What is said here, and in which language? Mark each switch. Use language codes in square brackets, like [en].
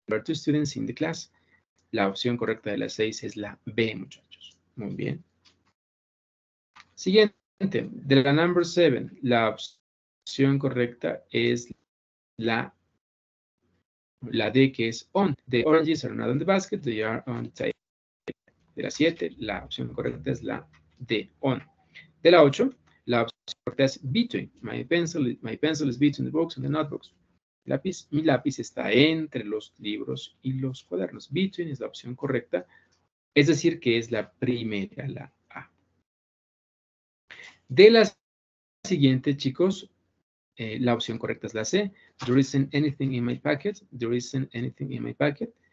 [en] Two students in the class. [es] La opción correcta de la 6 es la B, muchachos. Muy bien. Siguiente. De la number 7, la opción correcta es la D, que es on. [en] The oranges are not on the basket, they are on the table. [es] De la 7, la opción correcta es la de on. De la 8, la opción correcta es between. [en] My pencil is between the books and the notebooks. [es] Mi lápiz está entre los libros y los cuadernos. Between es la opción correcta, es decir, que es la primera, la A. De la siguiente, chicos, la opción correcta es la C. [en] There isn't anything in my packet. There isn't anything in my packet.